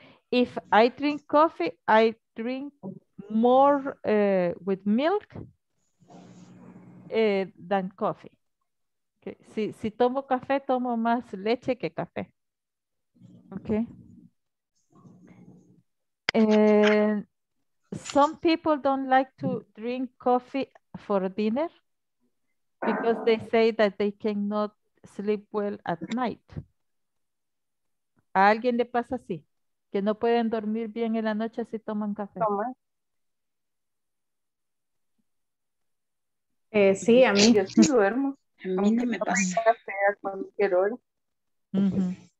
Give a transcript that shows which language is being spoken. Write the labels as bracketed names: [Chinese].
[English] If I drink coffee, I drink more with milk than coffee. Okay. [Spanish] Si tomo café, tomo más leche que café. [English] Okay. Some people don't like to drink coffee for dinner because they say that they cannot sleep well at night. [Spanish] ¿A alguien le pasa así? ¿Que no pueden dormir bien en la noche si toman café? Sí, a mí. Yo sí duermo. A mí no me pasa café a cualquier hora. Uh-huh.